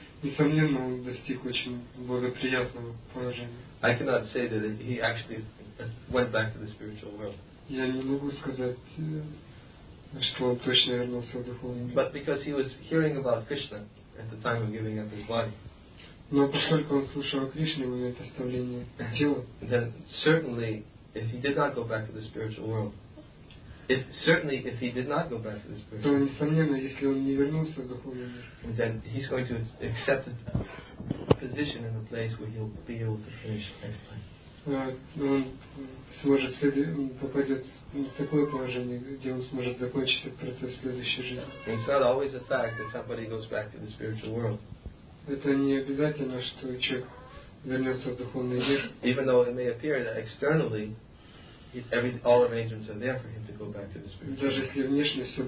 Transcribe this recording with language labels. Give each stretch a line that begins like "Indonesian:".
Russian: Несомненно, он достиг очень благоприятного положения.
English: I cannot say that he actually went back to the spiritual world.
Russian: Я не могу сказать, что он точно вернулся в духовный мир.
English: But because he was hearing about Krishna at the time of giving up his body.
Russian: Но поскольку он слушал о Кришне в момент оставления тела.
English: Then certainly, if he did not go back to the spiritual world,
Russian: то несомненно, если он не вернулся в духовный мир,
English: then he's going to accept a position in a place where he'll be able to finish next time.
Russian: Он сможет попадет в такое положение, где он сможет закончить этот процесс следующей жизни.
English: It's not always a fact that somebody goes back to the spiritual world.
Russian: Это не обязательно, что человек вернется в духовный мир.
English: Even though it may appear that externally all arrangements are there for him to go back to the spiritual